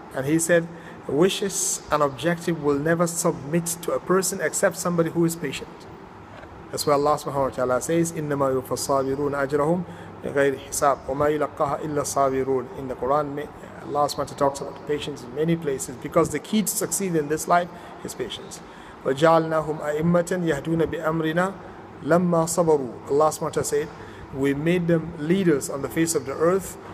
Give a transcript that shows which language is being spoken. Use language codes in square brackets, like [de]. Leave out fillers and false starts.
[en] And he said, wishes and objective will never submit to a person except somebody who is patient. That's why Allah subhanahu wa ta'ala says, [ar] إِنَّمَا يُفَصَّابِرُونَ أَجْرَهُمْ غَيْرِ حِسَابٍ وَمَا يُلَقَّهَا إِلَّا صَابِرُونَ. [en] In the Quran, Allah [ar] subhanahu wa ta'ala [en] talks about patience in many places because the key to succeed in this life is patience. [ar] وَجَعَلْنَاهُمْ أَئِمَّةً يَهْدُونَ بِأَمْرِنَا لَمَّا صَبَرُوا. [en] Allah [ar] subhanahu wa ta'ala [en] said, we made them leaders on the face of the earth.